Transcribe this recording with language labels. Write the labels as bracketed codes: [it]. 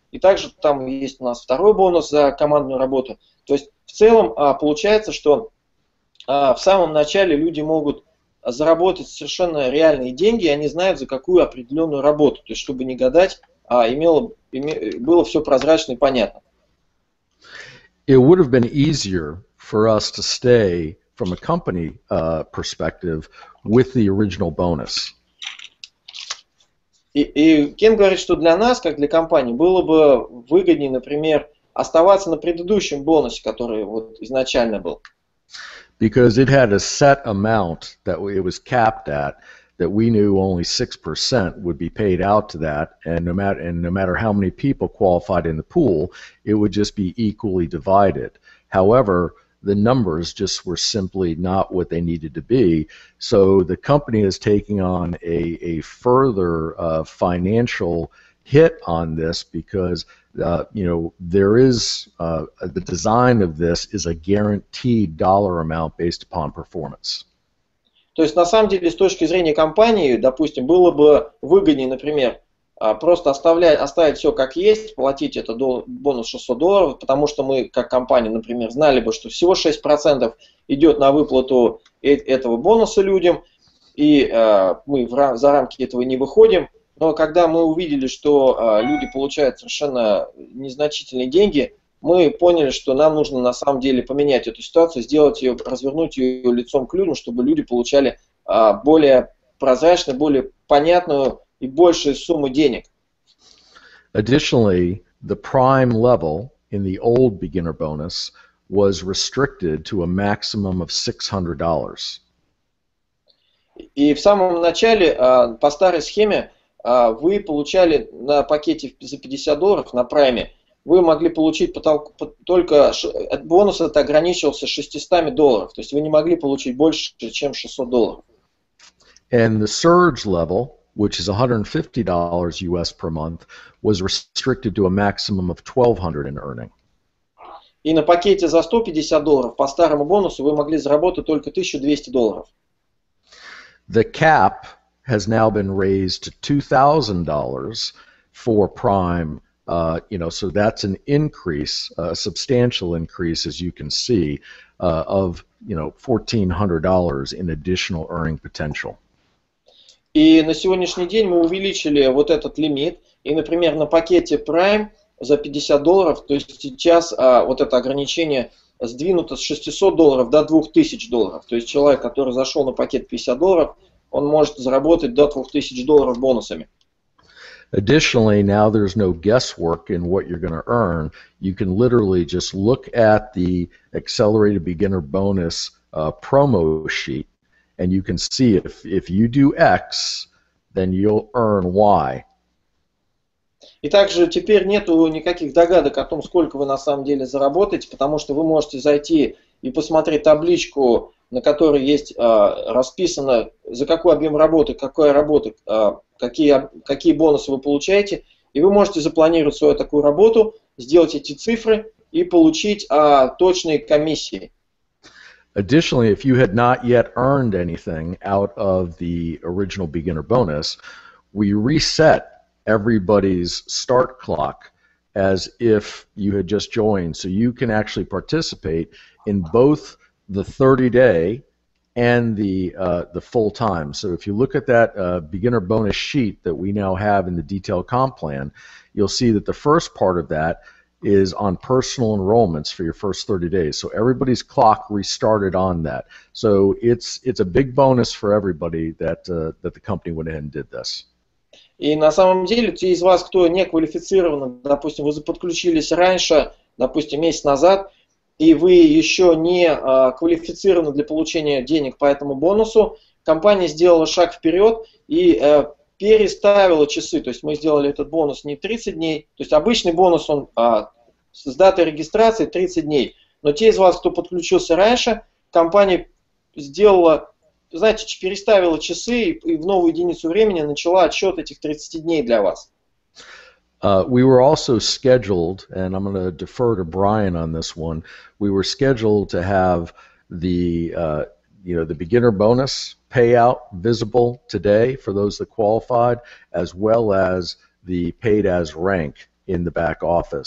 [ru] И также там есть у нас второй бонус за командную работу. То есть в целом получается, что в самом начале люди могут заработать совершенно реальные деньги, и они знают, за какую определенную работу. То есть чтобы не гадать, было все прозрачно и понятно. [en] It would have been easier for us to stay from a company perspective with the original bonus. [ru] И Кен говорит, что для нас, как для компании, было бы выгоднее, например, оставаться на предыдущем бонусе, который вот изначально был. [en] Because it had a set amount that it was capped at, that we knew only 6% would be paid out to that, and no matter how many people qualified in the pool, it would just be equally divided. However, the numbers just were simply not what they needed to be. So the company is taking on a further financial hit on this because there is the design of this is a guaranteed dollar amount based upon performance. [ru] То есть на самом деле с точки зрения компании, допустим, было бы выгоднее, например, просто оставить все как есть, платить этот бонус $600, потому что мы, как компания, например, знали бы, что всего 6% идет на выплату этого бонуса людям, и мы за рамки этого не выходим. Но когда мы увидели, что люди получают совершенно незначительные деньги, мы поняли, что нам нужно на самом деле поменять эту ситуацию, сделать ее, развернуть ее лицом к людям, чтобы люди получали более прозрачную, более понятную и большую сумму денег. [en] Additionally, the prime level in the old beginner bonus was restricted to a maximum of $600. [ru] И в самом начале, по старой схеме, вы получали на пакете за $50 на прайме, вы могли получить только бонус этот ограничивался $600, то есть вы не могли получить больше, чем $600. [en] And the surge level, which is $150 US per month, was restricted to a maximum of $1,200 in earning. [ru] И на пакете за $150 по старому бонусу вы могли заработать только $1,200. [en] The cap has now been raised to $2,000 for prime. So that's an increase, a substantial increase, as you can see, of $1,400 in additional earning potential. [ru] И на сегодняшний день мы увеличили вот этот лимит. И, например, на пакете Prime за $50, то есть сейчас вот это ограничение сдвинуто с $600 до $2,000. То есть человек, который зашел на пакет $50, он может заработать до $2,000 бонусами. [en] Additionally, now there's no guesswork in what you're going to earn. You can literally just look at the Accelerated Beginner Bonus promo sheet, and you can see if you do X, then you'll earn Y. [ru] И также теперь нету никаких догадок о том, сколько вы на самом деле заработаете, потому что вы можете зайти и посмотреть табличку, на которой есть расписано, за какой объем работы, какой работы, какие бонусы вы получаете. И вы можете запланировать свою такую работу, сделать эти цифры и получить точные комиссии. [en] Additionally, if you had not yet earned anything out of the original beginner bonus, we reset everybody's start clock as if you had just joined, so you can actually participate in both the 30-day and the full time. So if you look at that beginner bonus sheet that we now have in the detailed comp plan, you'll see that the first part of that is on personal enrollments for your first 30 days. So everybody's clock restarted on that. So it's a big bonus for everybody that the company went ahead and did this. [ru] И на самом деле, те из вас, кто не квалифицированы, допустим, вы подключились раньше, допустим, месяц назад, и вы еще не квалифицированы для получения денег по этому бонусу, компания сделала шаг вперед и переставила часы. То есть мы сделали этот бонус не 30 дней, то есть обычный бонус он с датой регистрации 30 дней. Но те из вас, кто подключился раньше, компания сделала... Знаете, переставила часы и в новую единицу времени начала отсчет этих 30 дней для вас. [en] We were also scheduled, and I'm going to defer to Brian on this one. We were scheduled to have the beginner bonus payout visible today for those that qualified, as well as the paid as rank in the back office.